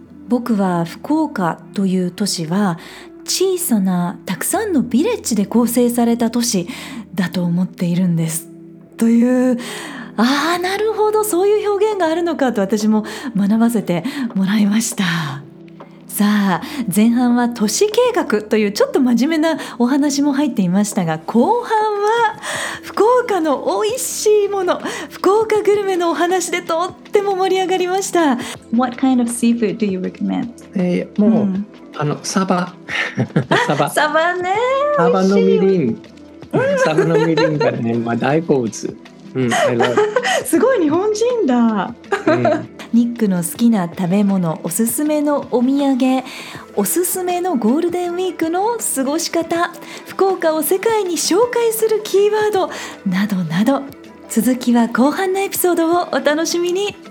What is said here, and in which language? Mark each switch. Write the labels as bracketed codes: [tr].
[ja] 僕は福岡という都市は小さなたくさんのビレッジで構成された都市だと思っているんですという、ああなるほど、そういう表現があるのかと私も学ばせてもらいました。さあ前半は都市計画というちょっと真面目なお話も入っていましたが、後半は福岡の美味しいもの、福岡グルメのお話でとっても盛り上がりました。 [en] What kind of seafood do you recommend? [ja] もう、うん、あのサバサバ、サバね、サバのみりん、サバのみりんがね、まあ、大好物、うん、すごい日本人だ、うん、ニックの好きな食べ物、おすすめのお土産、おすすめのゴールデンウィークの過ごし方、福岡を世界に紹介するキーワードなどなど、続きは後半のエピソードをお楽しみに。